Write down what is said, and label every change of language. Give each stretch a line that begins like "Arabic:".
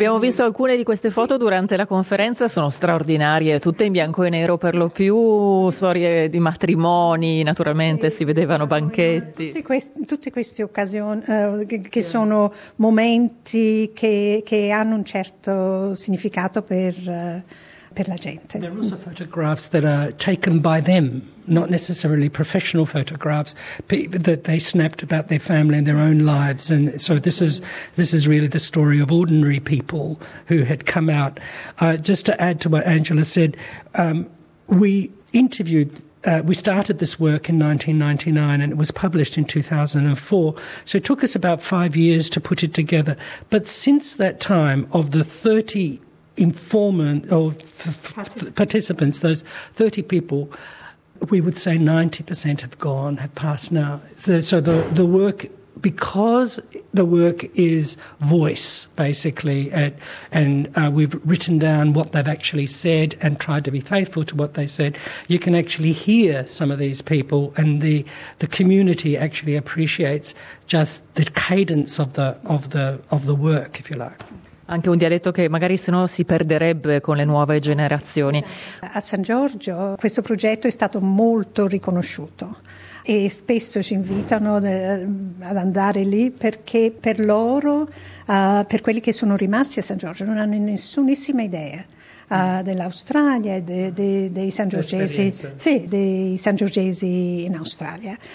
Italian: Abbiamo visto alcune di queste foto durante la conferenza, sono straordinarie, tutte in bianco e nero per lo più, storie di matrimoni, naturalmente si vedevano banchetti. Tutte queste occasioni che sono momenti che hanno un certo significato per la gente.
English: There are also photographs that are taken by them, not necessarily professional photographs, but that they snapped about their family and their own lives. And so this is really the story of ordinary people who had come out. Just to add to what Angela said, we started this work in 1999 and it was published in 2004. So it took us about 5 years to put it together. But since that time, of the 30 informant or participants, those 30 people, we would say 90% have gone, have passed now. So the work, because the work is voice, basically, and we've written down what they've actually said and tried to be faithful to what they said, you can actually hear some of these people, and the community actually appreciates just the cadence of the work, if you like.
Italian: Anche un dialetto che magari sennò si perderebbe con le nuove generazioni. A San Giorgio questo progetto è stato molto riconosciuto e spesso ci invitano ad andare lì perché per loro, per quelli che sono rimasti a San Giorgio, non hanno nessunissima idea dell'Australia e dei sangiorgesi, sì, dei sangiorgesi in Australia.